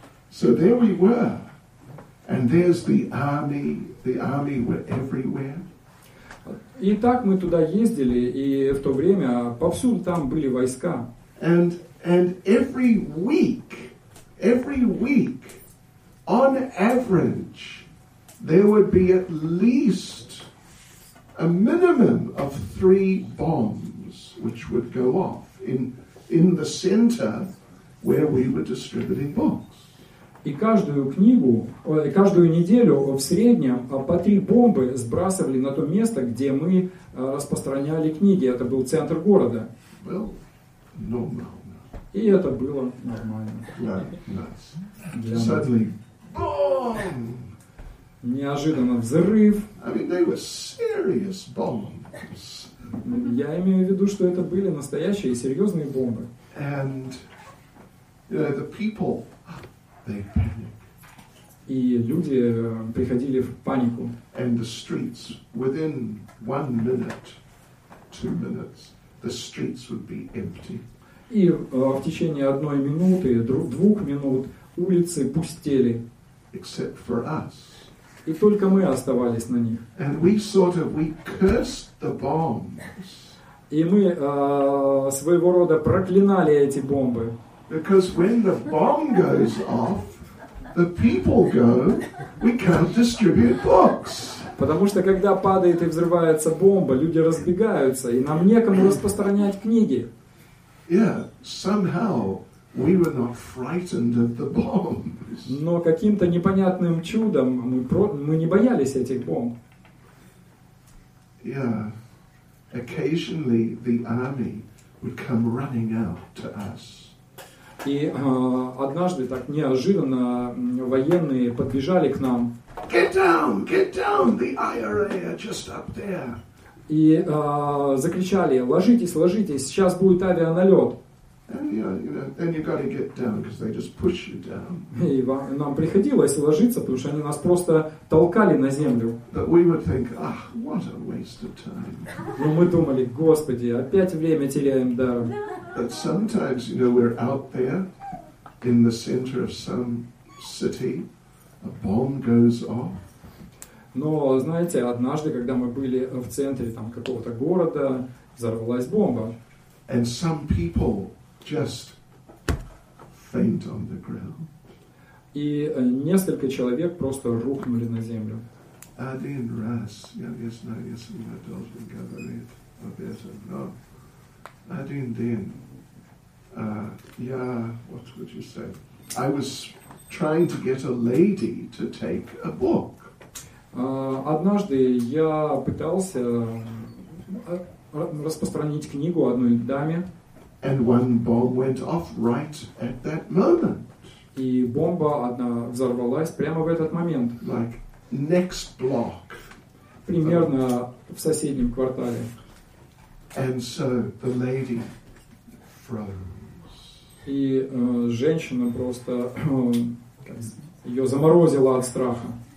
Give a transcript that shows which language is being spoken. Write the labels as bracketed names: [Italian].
[English] So there we were, and there's the army. The army were everywhere. [Russian] И так мы туда ездили, и в то время повсюду там были войска. [English] And every week, on average, there would be at least a minimum of 3 bombs which would go off in the center where we were distributing books. [Russian] И каждую книгу, каждую неделю в среднем по 3 бомбы сбрасывали на то место, где мы распространяли книги. Это был центр города. был нормально. И это было нормально. Да, [English] nice. Suddenly, boom! [Russian] Неожиданно взрыв. [English] I mean, they were serious bombs. [Russian] Я имею в виду, что это были настоящие серьезные бомбы. [English] And you know, the people, they [Russian] и люди приходили в панику. [English] And the streets, within 1 minute, 2 minutes, the streets would be empty. [Russian] И в течение 1 минуты, 2 минут улицы пустели. [English] Except for us. [Russian] И только мы оставались на них. [English] And we sort of, we cursed the bombs. [Russian] И мы своего рода проклинали эти бомбы. [English] Because when the bomb goes off, the people go, we can't distribute books. [Russian] Потому что когда падает и взрывается бомба, люди разбегаются, и нам некому распространять книги. [English] Yeah, somehow we were not frightened of the bombs. [Russian] Но каким-то непонятным чудом мы не боялись этих бомб. [English] Yeah, occasionally the army would come running out to us. [Russian] И однажды так неожиданно военные подбежали к нам. [English] Get down, the IRA are just up there. [Russian] И закричали: ложитесь, ложитесь, сейчас будет авианалет. И нам приходилось ложиться, потому что они нас просто толкали на землю. [English] But we would think, ah, what a waste of time. [Russian] Но мы думали: Господи, опять время теряем даром. [English] But sometimes, you know, we're out there in the center of some city, a bomb goes off. [Russian] Но, знаете, однажды, когда мы были в центре там, какого-то города, взорвалась бомба. [English] And some people just faint on the ground. [Russian] И несколько человек просто рухнули на землю. Один раз, я не знаю, если я должен говорить об этом, но один день, я, [English] what would you say, I was trying to get a lady to take a book. [Russian] Однажды я пытался распространить книгу одной даме. [English] And one bomb went off right at that moment. [Russian] И бомба одна взорвалась прямо в этот момент. [English] Like next block. [Russian] Примерно в соседнем квартале. [English] And so the lady froze. [Russian] И женщина просто ее заморозила от страха.